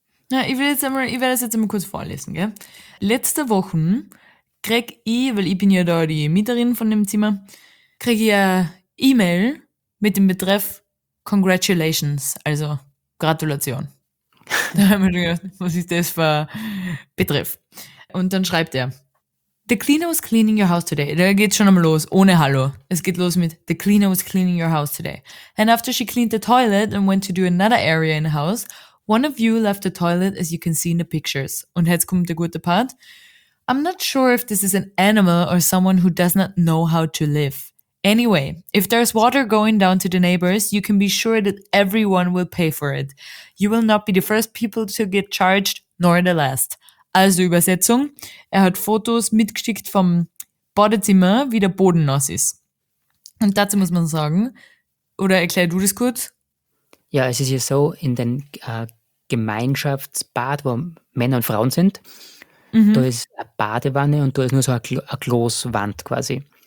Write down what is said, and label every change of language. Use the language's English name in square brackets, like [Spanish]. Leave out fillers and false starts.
[German] Ja, ich werde das jetzt einmal kurz vorlesen, gell? Letzte Woche krieg ich, weil ich bin ja da die Mieterin von dem Zimmer, krieg ich eine E-Mail mit dem Betreff Congratulations, also Gratulation. Da haben wir schon gedacht, was ist das für Betreff? Und dann schreibt er: [English] The cleaner was cleaning your house today. [German] Da geht's schon einmal los, ohne Hallo. Es geht los mit: [English] The cleaner was cleaning your house today. And after she cleaned the toilet and went to do another area in the house, one of you left the toilet as you can see in the pictures. [German] Und jetzt kommt der gute Part. [English] I'm not sure if this is an animal or someone who does not know how to live. Anyway, if there's water going down to the neighbors, you can be sure that everyone will pay for it. You will not be the first people to get charged, nor the last. [German] Also Übersetzung, er hat Fotos mitgeschickt vom Badezimmer, wie der Boden nass ist. Und dazu muss man sagen, oder erklär du das kurz? Ja, es ist ja so, in den Gemeinschaftsbad, wo Männer und Frauen sind, da ist eine Badewanne und da ist nur so eine Glaswand quasi.